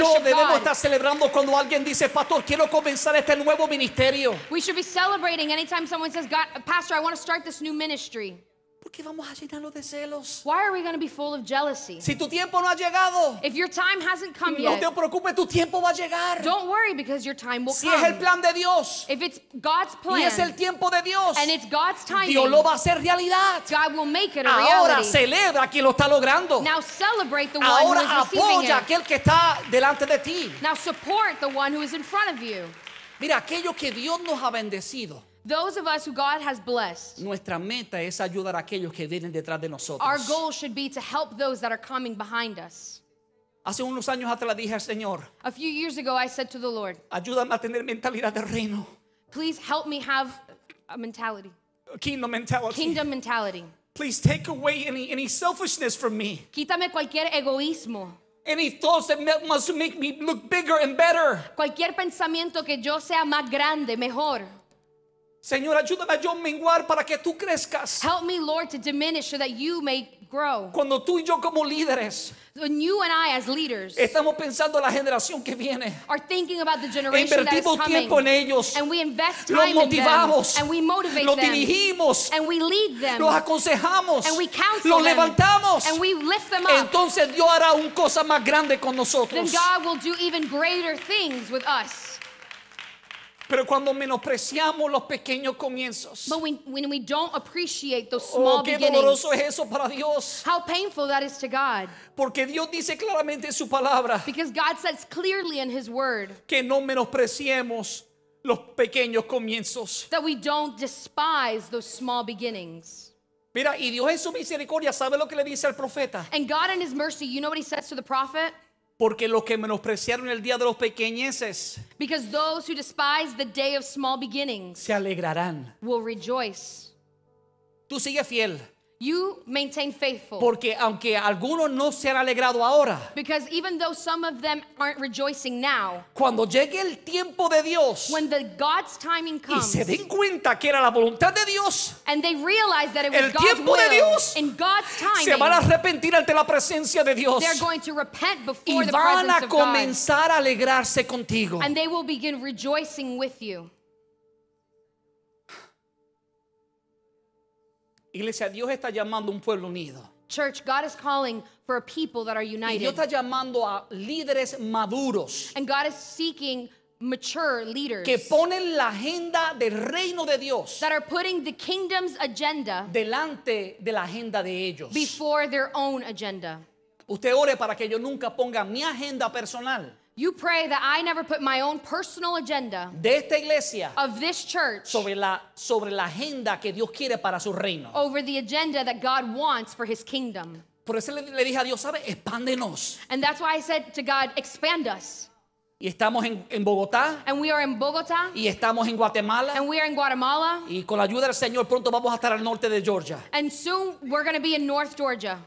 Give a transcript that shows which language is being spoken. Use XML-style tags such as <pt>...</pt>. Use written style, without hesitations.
<es>Tú y yo debemos estar celebrando cuando alguien dice, "Pastor, quiero comenzar este nuevo ministerio."</es> <en>We should be celebrating anytime someone says, God, Pastor, I want to start this new ministry.</en> <es>¿Por qué vamos a llenarlo de celos?</es> <en>Why are we going to be full of jealousy?</en> <es>Si tu tiempo no ha llegado,</es> <en>if your time hasn't come</en> <es>no</es> <en>yet,</en> <es>te preocupes, tu tiempo va a llegar.</es> <en>Don't worry because your time will</en> <es>si</es> <en>come.</en> <es>Es el plan de Dios,</es> <en>if it's God's plan</en> <es>y es el tiempo de Dios,</es> <en>and it's God's timing,</en> <es>Dios lo va a hacer realidad.</es> <en>God will make it a</en> <es>Ahora,</es> <en>reality.</en> <es>Celebra quien lo está logrando.</es> <en>Now celebrate the</en> <es>Ahora,</es> <en>one who is</en> <es>apoya</es> <en>receiving</en> <es>aquel</es> <en>it.</en> <es>Que está delante de ti.</es> <en>Now support the one who is in front of you.</en> <es>Mira, aquello que Dios nos ha bendecido.</es> <en>Those of us who God has blessed.</en> <es>Nuestra meta es ayudar a aquellos que vienen detrás de nosotros.</es> <en>Our goal should be to help those that are coming behind us.</en> <es>Hace unos años atrás dije al Señor,</es> <en>a few years ago I said to the Lord,</en> <es>ayúdame a tener mentalidad de reino.</es> <en>Please help me have a mentality. A kingdom mentality. Kingdom mentality. Please take away any selfishness from me.</en> <es>Quítame cualquier egoísmo.</es> <en>Any thoughts that must make me look bigger and better.</en> <es>Cualquier pensamiento que yo sea más grande, mejor. Señor, ayúdame a yo menguar para que tú crezcas.</es> <en>Help me, Lord, to diminish so that you may grow.</en> <es>Cuando tú y yo como líderes,</es> <en>when you and I as leaders,</en> <es>estamos pensando la generación que viene,</es> <en>are thinking about the generation that is coming,</en> <es>tiempo en ellos,</es> <en>and we invest time</en> <es>los motivamos,</es> <en>in them, and we motivate</en> <es>los</es> <en>them,</en> <es>dirigimos,</es> <en>and we lead them,</en> <es>los aconsejamos,</es> <en>and we counsel</en> <es>los</es> <en>them,</en> <es>levantamos,</es> <en>and we lift them up.</en> <es>Entonces Dios hará un cosa más grande con nosotros.</es> <en>Then God will do even greater things with us.</en> <es>Pero cuando menospreciamos los pequeños comienzos.</es> <en>But when we don't appreciate those small</en> <es>qué</es> <en>beginnings.</en> <es>Doloroso es eso para Dios.</es> <en>How painful that is to God.</en> <es>Porque Dios dice claramente en su palabra.</es> <en>Because God says clearly in his word.</en> <es>Que no menospreciemos los pequeños comienzos.</es> <en>That we don't despise those small beginnings.</en> <es>Mira, y Dios en su misericordia sabe lo que le dice al profeta.</es> <en>And God in his mercy, you know what he says to the prophet?</en> <es>Porque los que menospreciaron el día de los pequeñeces,</es> <en>because those who despise the day of small beginnings,</en> <es>se alegrarán,</es> <en>will rejoice.</en> <es>Tú sigues fiel,</es> <en>You maintain faithful.</en> <es>Porque aunque algunos no se han alegrado ahora,</es> <en>because even though some of them aren't rejoicing now,</en> <es>cuando llegue el tiempo de Dios,</es> <en>when the God's timing comes,</en> <es>y se den cuenta que era la voluntad de Dios,</es> <en>and they realize that it was</en> <es>el tiempo</es> <en>God's</en> <es>de Dios,</es> <en>will, in God's timing,</en> <es>se van a arrepentir ante la presencia de Dios,</es> <en>they're going to repent before the presence of God,</en> <es>y van a comenzar a alegrarse contigo,</es> <en>and they will begin rejoicing with you.</en> <es>Iglesia, Dios está llamando un pueblo unido.</es> <en>Church, God is calling for a people that are united.</en> <es>Y Dios está llamando a líderes maduros.</es> <en>And God is seeking mature leaders.</en> <es>Que ponen la agenda del reino de Dios.</es> <en>That are putting the kingdom's agenda.</en> <es>Delante de la agenda de ellos.</es> <en>Before their own agenda.</en> <es>Usted ore para que yo nunca ponga mi agenda personal.</es> <en>You pray that I never put my own personal agenda</en> <es>de esta iglesia</es> <en>of this church</en> <es>sobre la agenda que Dios quiere para su reino.</es> <en>Over the agenda that God wants for his kingdom.</en> <es>Por eso le dije a Dios, ¿sabe? Expándenos.</es> <en>And that's why I said to God, expand us.</en> <es>Y estamos en Bogotá.</es> <en>And we are in Bogotá.</en> <es>Y estamos en Guatemala.</es> <en>And we are in Guatemala.</en> <es>Y con la ayuda del Señor pronto vamos a estar al norte de Georgia.</es> <en>And soon we're going to be in North Georgia.</en>